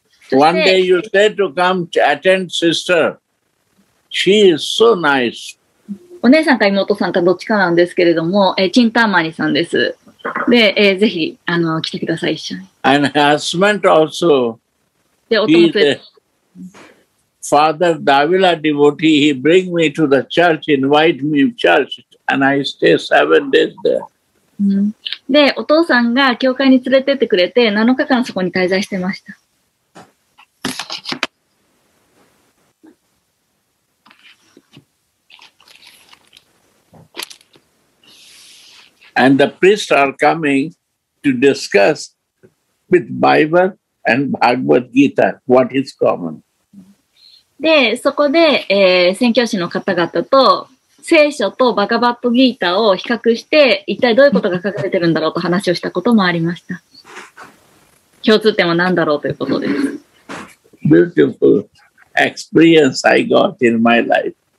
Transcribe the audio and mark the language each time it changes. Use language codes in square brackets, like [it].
[en] One day you said to come to attend sister. She is so nice. [ja] お姉さんか妹さんかどっちかなんですけれども、チンターマニさんです。で、ぜひ、来てください、一緒に。 [en] And her husband also. [ja] で、お友達。 [en] He's a Father Davila devotee. He bring me to the church, invite me to church, and I stay 7 days there. [ja] で、お父さんが教会に連れてってくれて、7日間そこに滞在してました。 [en] And the priests are coming to discuss with Bible and Bhagavad Gita what is common. [ja] で、そこで、宣教師の方々と聖書とバガバットギータを比較して、一体どういうことが書かれてるんだろうと話をしたこともありました。共通点は何だろうということです。 [en] Beautiful experience I got in my life.